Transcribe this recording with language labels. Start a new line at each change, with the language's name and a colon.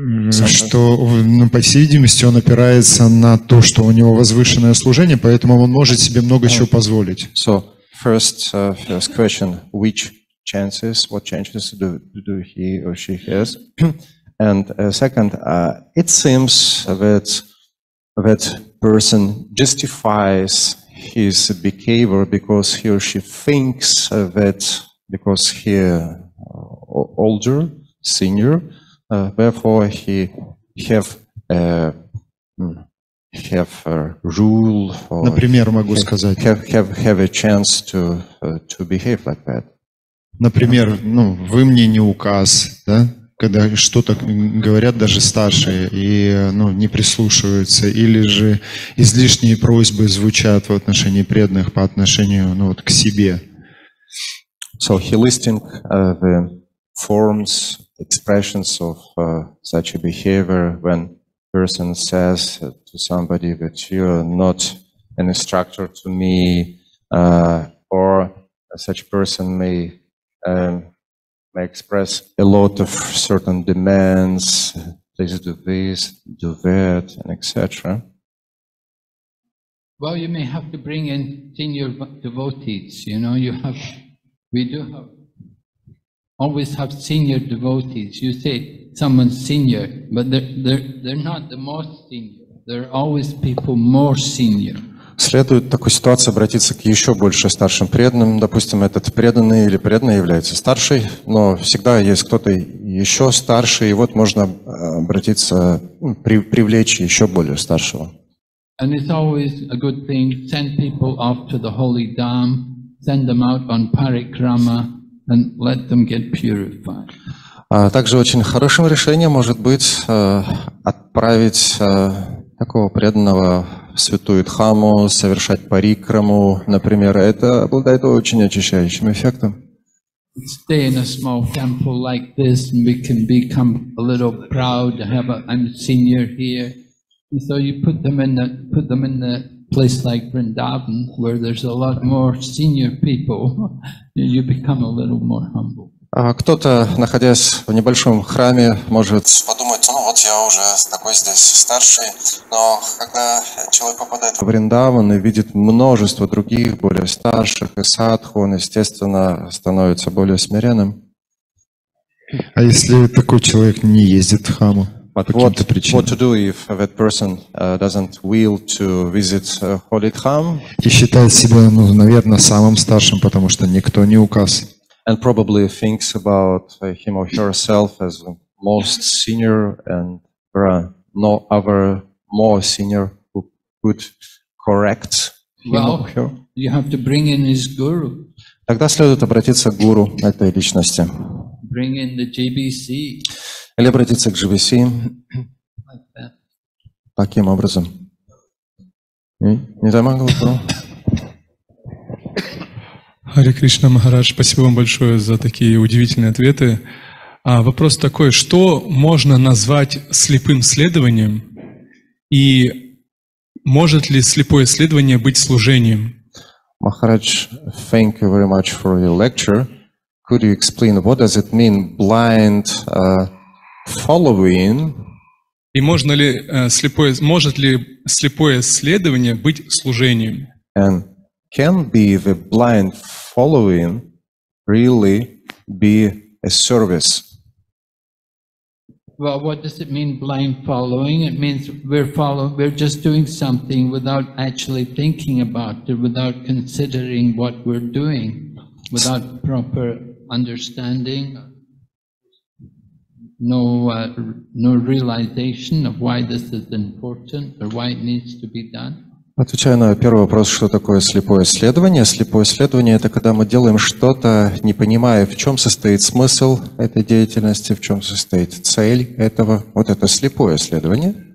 Russian: Что, ну, по всей видимости, он опирается на то, что у него возвышенное служение, поэтому он может себе много чего позволить.
English: So, first question, what chances do he or she has? And second, it seems that person justifies his behavior because he or she thinks that because he older, senior, therefore he have a rule.
Russian: Or например, могу сказать.
English: Have a chance to behave like that.
Russian: Например, ну вы мне не указ, да? Когда что-то говорят даже старшие и ну, не прислушиваются, или же излишние просьбы звучат в отношении преданных по отношению ну, вот, к себе.
English: So he listing the forms, expressions of such a behavior when person says to somebody that you are not an instructor to me, or such person may express a lot of certain demands, please do this, do that, and etc. Well, you may have to bring in senior devotees, you know, we always have senior devotees. You say someone's senior, but they're not the most senior. There are always people more senior.
Russian: Следует в такой ситуации обратиться к еще больше старшим преданным. Допустим, этот преданный или преданный является старшей, но всегда есть кто-то еще старше, и вот можно обратиться, привлечь еще более старшего.
English: And it's always a good thing, send people off to the holy dham, send them out on parikrama and let them get purified.
Russian: Также очень хорошим решением может быть отправить такого преданного в святую Дхаму, совершать парикраму, например. Это обладает очень очищающим эффектом.
English: Stay in a small temple like this and we can become a little proud to have a I'm senior here. And so you put them in the place like Vrindavan where there's a lot more senior people, you become a little more humble.
Russian: Кто-то, находясь в небольшом храме, может подумать, ну вот я уже такой здесь старший, но когда человек попадает в Вриндаван и видит множество других, более старших, и садху, он, естественно, становится более смиренным. А если такой человек не ездит в храму по каким-то причинам?
English: What to do if that person doesn't will to visit Holy Dham?
Russian: И считает себя, ну, наверное, самым старшим, потому что никто не указ.
English: And probably thinks about him or herself as most senior, and there are no other more senior who could correct him well, or her. Well, you have to bring in his guru.
Russian: Тогда следует обратиться к гуру этой личности.
English: Bring in the GBC.
Russian: Или обратиться к GBC. Таким образом. Не замагал, гуру? Харе Кришна Махарадж, спасибо вам большое за такие удивительные ответы. А вопрос такой, что можно назвать слепым следованием и может ли слепое следование быть служением?
English: Махарадж, thank you very much for your lecture. Could you explain what does it mean blind following?
Russian: И можно ли слепое следование быть служением?
English: And can be the blind following really be a service? Well, what does it mean blind following? It means we're just doing something without actually thinking about it, without considering what we're doing, without proper understanding, no realization of why this is important or why it needs to be done.
Russian: Отвечаю на первый вопрос, что такое слепое следование. Слепое следование — это когда мы делаем что-то, не понимая, в чем состоит смысл этой деятельности, в чем состоит цель этого. Вот это слепое следование.